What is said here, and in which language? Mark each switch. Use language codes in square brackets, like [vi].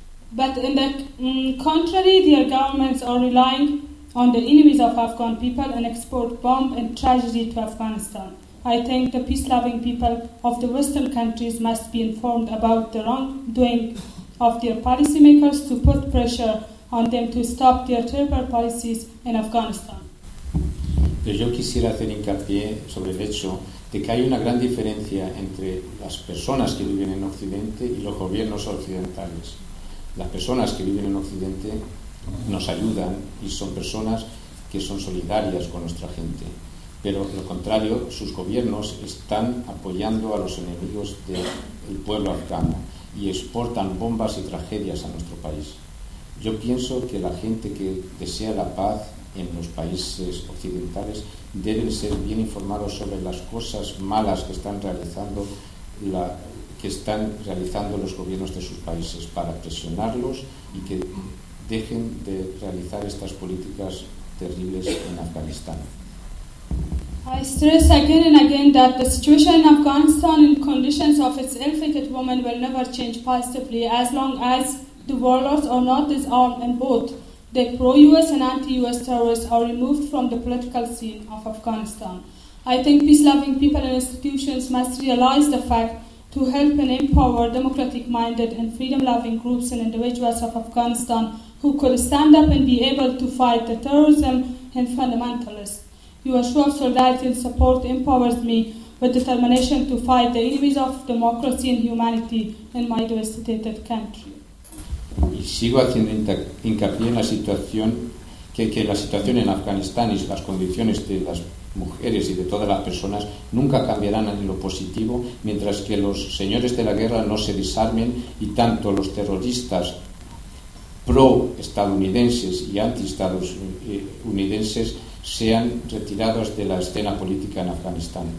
[en] But in the contrary, their governments are relying on the enemies of Afghan people and export bomb and tragedy to Afghanistan. I think the peace-loving people of the Western countries must be informed about the wrongdoing of their policymakers to put pressure on them to stop their terrible policies in Afghanistan. [es] Pero yo quisiera hacer hincapié sobre el hecho de que hay una gran diferencia entre las personas que viven en Occidente y los gobiernos occidentales. Las personas que viven en Occidente nos ayudan y son personas que son solidarias con nuestra gente. Pero, lo contrario, sus gobiernos están apoyando a los enemigos del pueblo afgano y exportan bombas y tragedias a nuestro país. Yo pienso que la gente que desea la paz en los países occidentales deben ser bien informados sobre las cosas malas que están realizando los gobiernos de sus países para presionarlos y que dejen de realizar estas políticas terribles en Afganistán. [en] I stress again and again that the situation in Afghanistan and conditions of its ill-fated women will never change positively as long as the warlords are not disarmed and both the pro-US and anti-US terrorists are removed from the political scene of Afghanistan. I think peace-loving people and institutions must realize the fact to help and empower democratic-minded and freedom-loving groups and individuals of Afghanistan who could stand up and be able to fight the terrorism and fundamentalists. Your show of solidarity and support empowers me with determination to fight the enemies of democracy and humanity in my devastated country. [es] Y sigo haciendo hincapié en la situación que la situación en Afganistán y las condiciones de las mujeres y de todas las personas nunca cambiarán en lo positivo mientras que los señores de la guerra no se desarmen y tanto los terroristas pro-estadounidenses y anti-estadounidenses sean retirados de la escena política en Afganistán.